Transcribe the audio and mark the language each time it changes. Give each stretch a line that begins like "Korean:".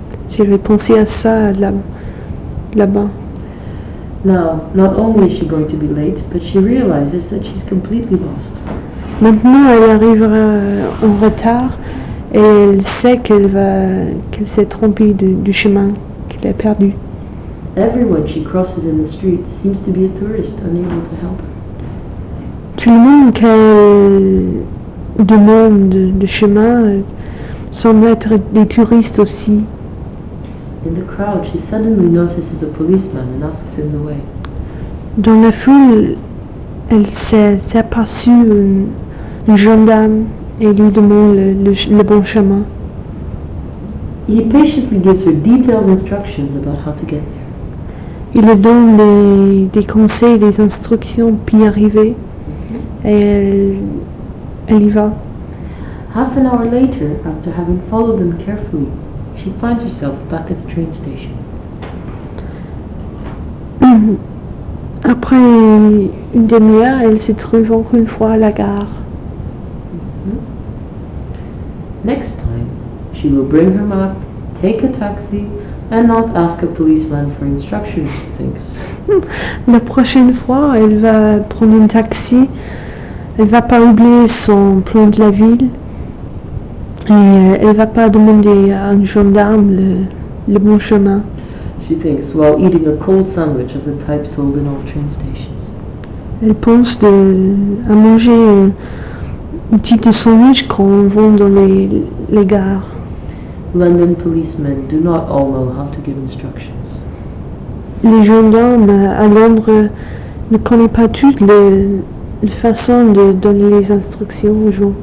French: S'il avait pensé à ça là-bas.
English: Now, not only is she going to be late, but she realizes that she's completely lost.
French: Maintenant, elle arrivera en retard et elle sait qu'elle s'est trompée du chemin. Elle est perdue.
English: Everyone she crosses in the street seems to be a tourist unable to help her.
French: Tout le monde qu'elle demande de chemin semble être des touristes aussi.
English: In the crowd, she suddenly notices a policeman and asks him the way.
French: Dans la foule, elle s'est aperçue un gendarme et lui demande le bon chemin.
English: He patiently gives her detailed instructions about how to get there.
French: Il lui donne des conseils, des instructions pour y arriver. Et elle y va.
English: Half an hour later, after having followed them carefully, she finds herself back at the train station.
French: Après une demi-heure, elle se trouve encore une fois à la gare. Mm-hmm.
English: Next time, she will bring her map. Take a taxi and not ask a policeman for instructions, she thinks.
French: La prochaine fois, elle va prendre un taxi. Elle va pas oublier son plan de la ville. Et elle va pas demander à un gendarme le bon chemin.
English: She thinks while eating a cold sandwich of the type sold in all train stations.
French: Elle pense à manger un type de sandwich qu'on vend dans les gares.
English: London policemen do not all know how to give instructions.
French: Les gendarmes à Londres ne connaissent pas toutes les façons de donner les instructions aux gens.